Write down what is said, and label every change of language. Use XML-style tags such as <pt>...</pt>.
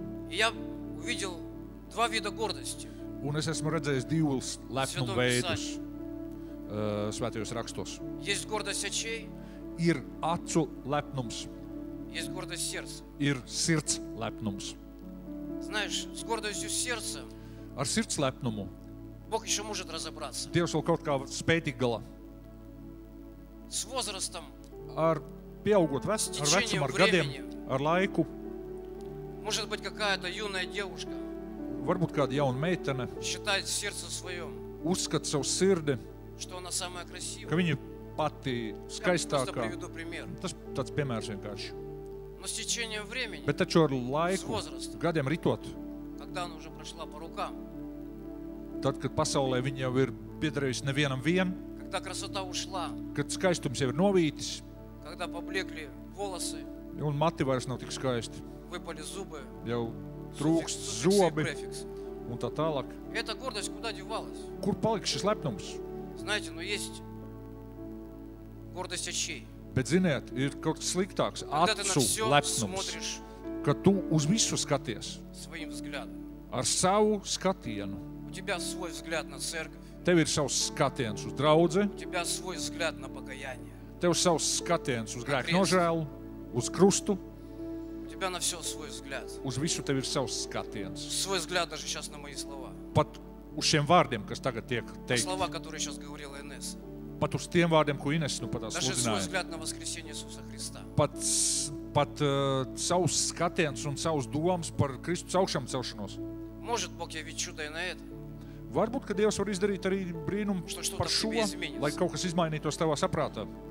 <ru>Я увидел два вида гордости.</ru> <lv>Un es esmu redzējis divus lepnumu veidus. Svētajos rakstos.</lv> <ru>Есть гордость очей.</ru> <lv>Ir acu lepnums.</lv> <ru>Есть гордость сердца.</ru> <lv>Ir sirds lepnums.</lv> <ru>Знаешь, с гордостью сердца.</ru> <lv>Ar sirds lepnumu.</lv> <ru>Бог ещё может разобраться.</ru> <lv>Dievs vēl kaut kā spēj tik galā.</lv> <ru>С возрастом.</ru> <lv>Ar pieaugot ar vecumu, ar gadiem, ar laiku.</lv> <ru>Может быть, какая-то юная девушка.</ru> <lv>Varbūt kāda jauna meitene.</lv> <ru>Считает сердце своём.</ru> <lv>Uzskat savu sirdi.</lv> <ru>что она самая красивая.</ru> <lv>Ka viņa pati skaistākā.</lv> <ru>Просто приведу пример.</ru> <lv>Tas tāds piemērs vienkārši.</lv> <ru>Но с течением времени.</ru> <lv>Bet taču ar laiku, gadiem ritot.</lv> <ru>Когда она уже прошла по рукам.</ru> <lv>Tad, kad pasaulē viņa jau ir piederējusi nevienam vien.</lv> <ru>Когда красота ушла.</ru> <lv>Kad skaistums jau ir novītis.</lv> <ru>Когда поблекли волосы.</ru> <lv>Un mati vairs nav tik skaisti.</lv> <ru>Выпали зубы.</ru> <lv>Jau trūkst zobi. Un tā tālāk.</lv> <ru>Эта гордость куда девалась?</ru> <lv>Kur palika šis lepnums?</lv> <ru>Знаете, но есть гордость очей.</ru> <lv>Bet ziniet, ir kaut kas sliktāks, acu lepnums. Kad tu uz visu skaties.</lv> <ru>Своим взглядом.</ru> <lv>Ar savu skatienu.</lv> <ru>У тебя свой взгляд на церковь.</ru> <lv>Tev ir savs skatiens uz draudze.</lv> <ru>У тебя свой взгляд на покаяние.</ru> <lv>Tev savs skatiens uz grēku nožēlu, uz krustu.</lv> <ru>У тебя на всё свой взгляд.</ru> <lv>Uz visu tev ir savs skatiens.</lv> <ru>Свой взгляд даже сейчас на мои слова.</ru> <lv>Pat uz šiem vārdiem, kas tagad tiek teikt.</lv> <ru>Слова, которые сейчас говорила Инесса.</ru> <lv>Pat uz tiem vārdiem, ko Inesa nu pat sludināja.</lv> <ru>Даже свой взгляд на воскресение Иисуса Христа.</ru> <lv>Pat savs skatiens un savs domas par Kristus augšāmcelšanos.</lv> <ru>Может Бог явить чудо и на это.</ru> <lv>Varbūt, ka Dievs var izdarīt arī brīnumu par šo, lai kaut kas izmainītos tavā saprātā.</lv>